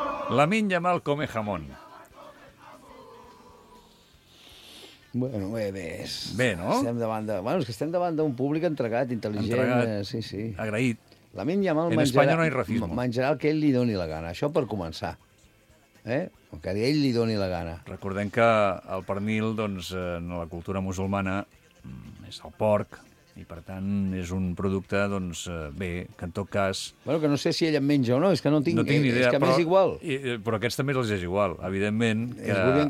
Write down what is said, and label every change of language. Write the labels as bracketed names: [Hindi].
[Spanish] Lamine Yamal come jamón. Bueno, bebés. [Catalan] Bé, no? Estem davant de... Bueno, és que estem davant d'un públic entregat, intel·ligent. Entregat, sí, sí. Agraït. Lamine Yamal en menjarà... En Espanya no hi ha racisme. Menjarà el que ell li doni la gana, això per començar. El que ell li doni la gana. Recordem que el pernil, doncs, en la cultura musulmana, és el porc, i per tant és un producte, doncs, bé, que en tot cas... Bueno, que no sé si ell en menja o no, és que no tinc... No tinc ni idea, és que però... És igual. Però aquests també els és igual, evidentment, que el